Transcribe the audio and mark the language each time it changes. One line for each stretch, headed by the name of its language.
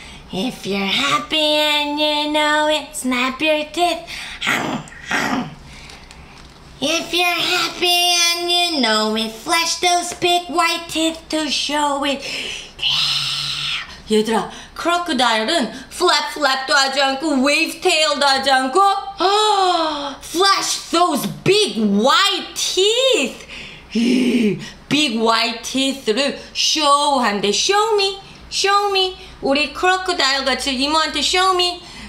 English: If you're happy and you know it, snap your teeth. If you're happy and you know it, flash those big white teeth to show it.
Korean: Yeah. 얘들아, 크로커다일은 flap flap도 하지 않고 wave tail도 하지 않고
English: Flash those big white teeth.
Korean: Big white teeth를 show 한대.
English: Show me. Show me.
Korean: 우리 크로커다일 같이 이모한테
English: show me.